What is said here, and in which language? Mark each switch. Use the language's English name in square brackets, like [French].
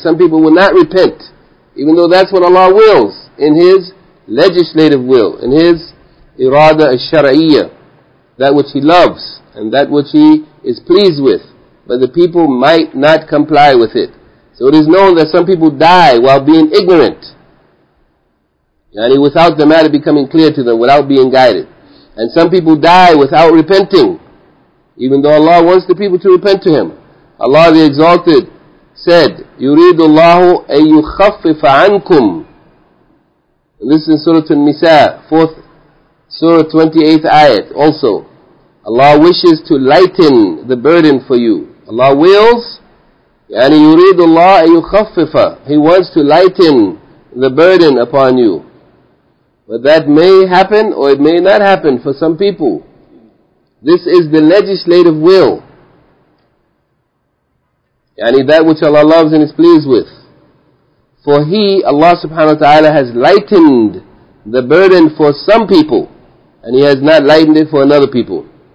[English] Some people will not repent. Even though that's what Allah wills in His legislative will, in His irada al-shara'iyya, that which He loves and that which He is pleased with, but the people might not comply with it. So it is known that some people die while being ignorant, yani without the matter becoming clear to them, without being guided. And some people die without repenting, even though Allah wants the people to repent to Him. Allah the Exalted said, [Arabic] يُرِيدُ اللَّهُ أَن يُخَفِّفَ عَنْكُمْ. [English] This is in Surah An-Nisa, 4th Surah, 28th ayat also. Allah wishes to lighten the burden for you. Allah wills, [Arabic] يعني يريد الله أن يخففه. [English] He wants to lighten the burden upon you. But that may happen or it may not happen for some people. This is the legislative will. يعني that which Allah loves and is pleased with. For He, Allah subhanahu wa ta'ala, has lightened the burden for some people, and He has not lightened it for another people.